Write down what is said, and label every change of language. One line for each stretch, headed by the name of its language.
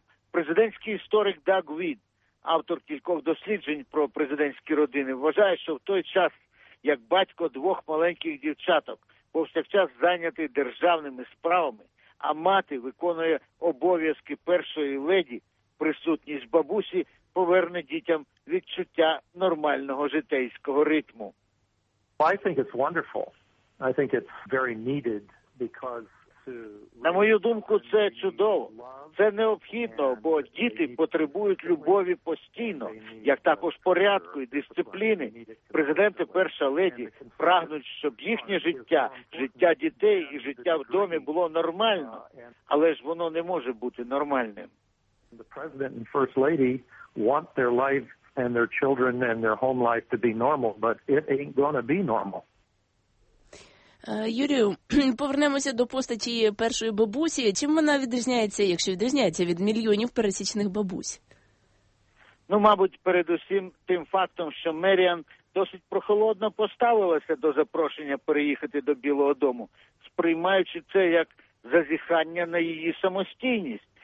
Ukrainian: Президентський історик Даг Від, автор кількох досліджень про президентські родини, вважає, що в той час, як батько двох маленьких дівчаток повсякчас зайнятий державними справами, а мати виконує обов'язки першої леді, присутність бабусі поверне дітям відчуття нормального житейського ритму.
English: I think it's wonderful. I think it's very needed because
Ukrainian: на мою думку, це чудово. Це необхідно, бо діти потребують любові постійно, як також порядку і дисципліни. Президенти перша леді прагнуть, щоб їхнє життя, життя дітей і життя в домі було нормально, але ж воно не може бути нормальним.
English: The president and first lady want their life and their children and their home life to be normal, but it ain't gonna be normal.
Ukrainian: Юрію, повернемося до постаті першої бабусі. Чим вона відрізняється, якщо відрізняється, від мільйонів пересічних бабусь? Ну, мабуть, передусім тим фактом, що Меріан досить прохолодно поставилася до запрошення переїхати до Білого дому, сприймаючи це як зазіхання на її самостійність.